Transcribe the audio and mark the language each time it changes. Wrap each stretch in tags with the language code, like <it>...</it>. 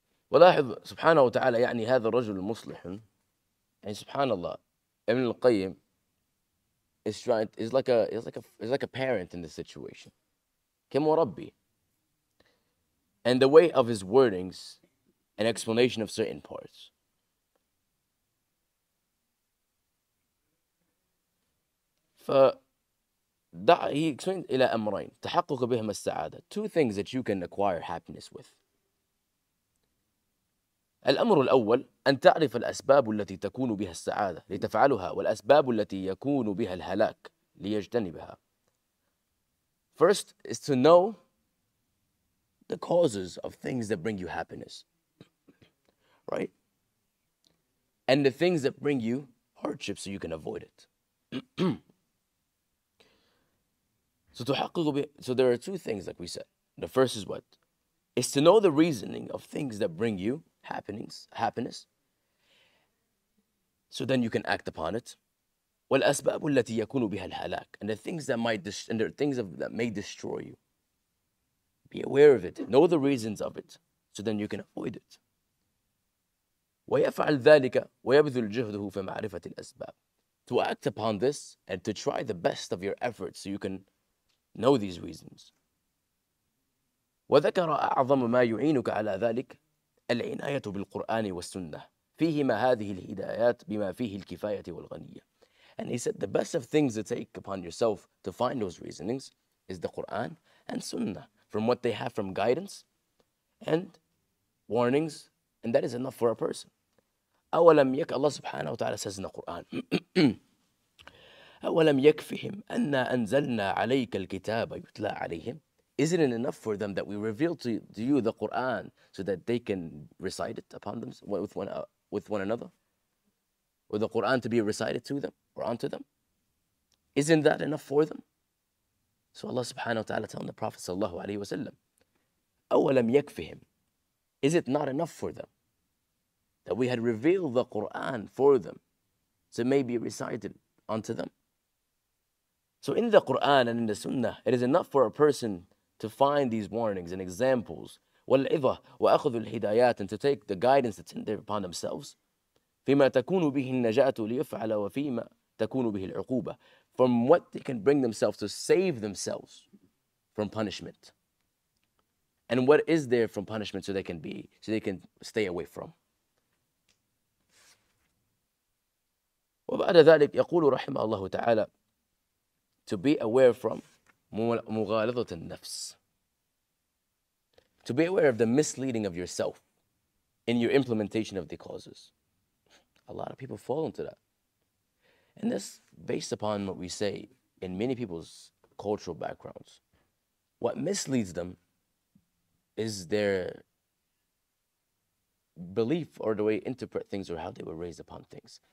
<ar>ولاحظ سبحانه وتعالى يعني هذا الرجل المصلح يعني سبحان الله ابن القيم</ar> <en>is trying is like a parent in this situation كمربي and the way of his wordings and explanation of certain parts ف دع he explained</en> <ar>إلى أمرين تحقق بهما السعادة</ar> <en>two things that you can acquire happiness with.</en> <ar>الأمر الأول أن تعرف الأسباب التي تكون بها السعادة لتفعلها والأسباب التي يكون بها الهلاك ليجتنبها.</ar> <en>First is to know the causes of things that bring you happiness, right? And the things that bring you hardship so you can avoid it. So there are two things like we said. The first is what? Is to know the reasoning of things that bring you happiness. So then you can act upon it.</en> <ar>والأسباب التي يكون بها الهلاك</ar> <en>and the things that might may destroy you. Be aware of it. Know the reasons of it. So then you can avoid it.</en> <ar>ويفعل ذلك ويبذل جهده في معرفة الأسباب.</ar> <en>To act upon this and to try the best of your efforts so you can know these reasons.</en> <ar>وذكر أعظم ما يعينك على ذلك العناية بالقرآن والسنة فيهما هذه الهدايات بما فيه الكفاية والغنية.</ar> <en>And he said the best of things to take upon yourself to find those reasonings is the Quran and Sunnah, from what they have from guidance and warnings, and that is enough for a person.</en> <ar>أولم يك الله سبحانه وتعالى</ar> <en>says in the Quran</en> <ar>أولم يكفهم أن أنزلنا عليك الكتاب يتلى عليهم.</ar> <en>Isn't it enough for them that we reveal to you the Quran so that they can recite it upon them with one another? Or the Quran to be recited to them or unto them? Isn't that enough for them? So Allah subhanahu wa ta'ala telling the Prophet sallallahu alayhi wa sallam,</en> <ar>أَوَلَمْ يَكْفِهِمْ.</ar> <en>Is it not enough for them that we had revealed the Quran for them so it may be recited unto them? So in the Quran and in the Sunnah, it is enough for a person to find these warnings and examples,</en> <ar>والعظة وأخذ الهدايات,</ar> <en>and to take the guidance that's in there upon themselves,</en> <ar>فيما تكون به النجاة ليفعل وفيما تكون به العقوبة,</ar> <en>from what they can bring themselves to save themselves from punishment, and what is there from punishment so they can stay away from.</en> <ar>وبعد ذلك يقول رحمه الله تعالى</ar> <en>to be aware from</en> <ar>مغالظة النفس.</ar> <en>To be aware of the misleading of yourself in your implementation of the causes. A lot of people fall into that. And this, based upon what we say, in many people's cultural backgrounds, what misleads them is their belief or the way they interpret things or how they were raised upon things.</en>